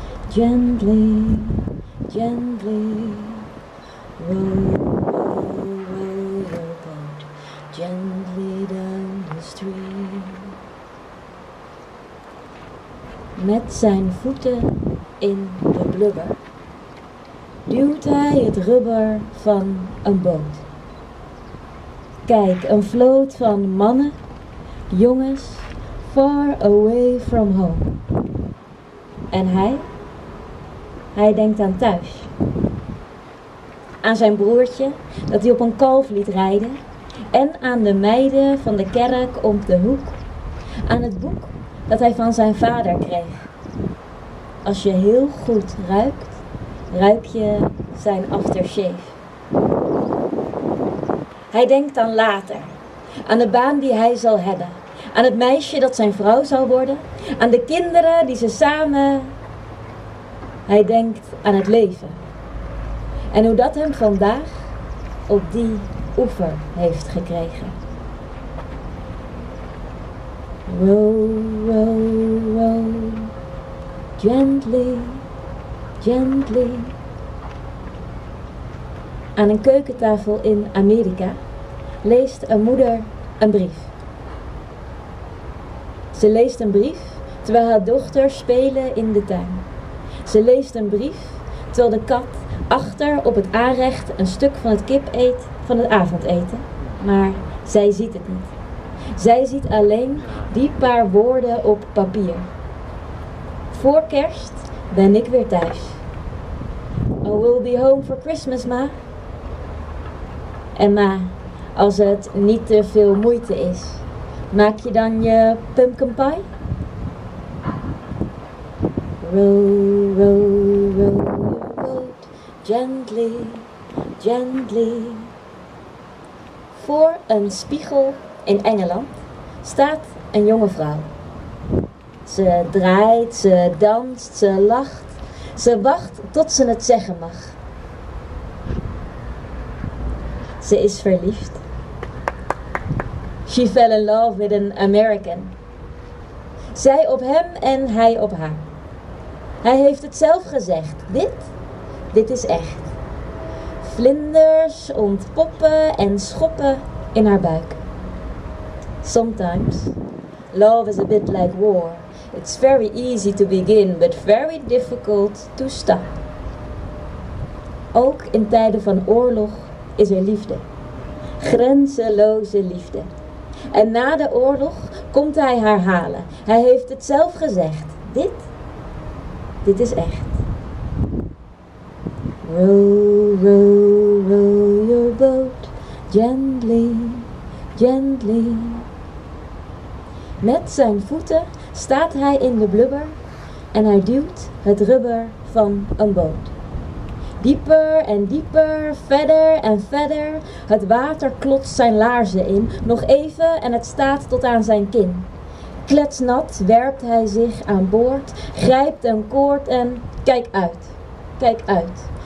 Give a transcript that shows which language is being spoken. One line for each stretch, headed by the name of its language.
English: Gently, gently, row, row, row your boat gently down the stream.
Dutch: Met zijn voeten in de blubber duwt hij het rubber van een boot. Kijk, een vloot van mannen, jongens,
English: far away from home.
Dutch: En hij? Hij denkt aan thuis. Aan zijn broertje, dat hij op een kalf liet rijden. En aan de meiden van de kerk om de hoek. Aan het boek dat hij van zijn vader kreeg. Als je heel goed ruikt, ruik je zijn aftershave. Hij denkt aan later. Aan de baan die hij zal hebben. Aan het meisje dat zijn vrouw zal worden. Aan de kinderen die ze samen... Hij denkt aan het leven en hoe dat hem vandaag op die oever heeft gekregen.
English: Row, row, row, gently, gently.
Dutch: Aan een keukentafel in Amerika leest een moeder een brief. Ze leest een brief terwijl haar dochters spelen in de tuin. Ze leest een brief terwijl de kat achter op het aanrecht een stuk van het kip eet van het avondeten. Maar zij ziet het niet. Zij ziet alleen die paar woorden op papier. Voor kerst ben ik weer thuis.
English: I will be home for Christmas, ma.
Dutch: En ma, als het niet te veel moeite is, maak je dan je pumpkin pie?
English: Row, row, row your boat gently, gently.
Dutch: Voor een spiegel in Engeland staat een jonge vrouw. Ze draait, ze danst, ze lacht. Ze wacht tot ze het zeggen mag. Ze is verliefd.
English: She fell in love with an American.
Dutch: Zij op hem en hij op haar. Hij heeft het zelf gezegd. Dit is echt. Vlinders ontpoppen en schoppen in haar buik.
English: Sometimes, love is a bit like war. It's very easy to begin, but very difficult to stop.
Dutch: Ook in tijden van oorlog is er liefde. Grenzeloze liefde. En na de oorlog komt hij haar halen. Hij heeft het zelf gezegd. Dit is echt.
English: Row, row, row your boat gently, gently.
Dutch: Met zijn voeten staat hij in de blubber en hij duwt het rubber van een boot. Dieper en dieper, verder en verder. Het water klotst zijn laarzen in. Nog even en het staat tot aan zijn kin. Kletsnat werpt hij zich aan boord, grijpt een koord en kijk uit, kijk uit.